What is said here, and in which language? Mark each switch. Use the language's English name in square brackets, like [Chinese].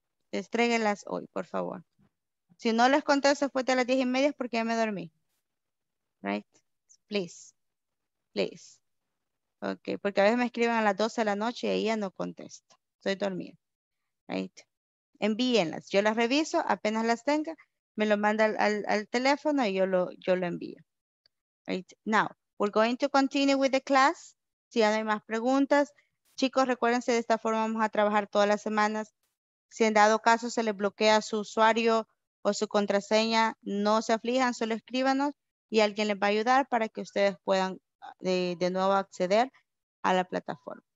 [Spanish] Entréguenlas hoy, por favor. Si no les contesto después de las 10:30 es porque ya me dormí. [English] Right? Please. Please. [Spanish] Ok, porque a veces me escriben a las 12 de la noche y ahí ya no contesto. Estoy dormida. [English] Right? [Spanish] Envíenlas. Yo las reviso, apenas las tenga, me lo manda al teléfono y yo lo envío. [English] Right? Now, we're going to continue with the class. [Spanish] Si ya no hay más preguntas, chicos, recuérdense, de esta forma vamos a trabajar todas las semanas. Si en dado caso se les bloquea su usuario o su contraseña, no se aflijan, solo escríbanos y alguien les va a ayudar para que ustedes puedan de nuevo acceder a la plataforma.